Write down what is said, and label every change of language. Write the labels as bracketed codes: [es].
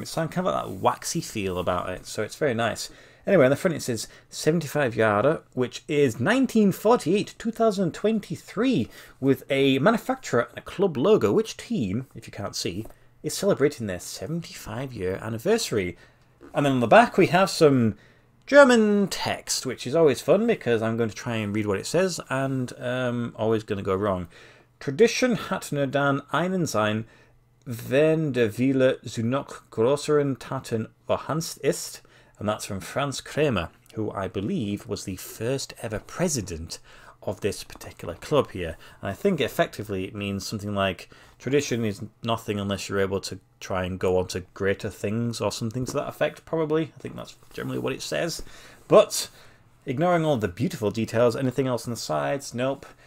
[en] It's kind of like that waxy feel about it, so it's very nice. Anyway, on the front it says 75 yarder, which is 1948-2023, with a manufacturer and a club logo, which team, if you can't see, is celebrating their 75-year anniversary. And then on the back we have some German text, which is always fun because I'm going to try and read what it says, and always going to go wrong. [de] Tradition hat nur dann einen sein, wenn der Wille zu noch größeren Taten verhandelt ist. [en] And that's from Franz Kramer, who I believe was the first ever president of this particular club here. And I think effectively it means something like, tradition is nothing unless you're able to try and go on to greater things or something to that effect, probably. I think that's generally what it says. But ignoring all the beautiful details, anything else on the sides? Nope.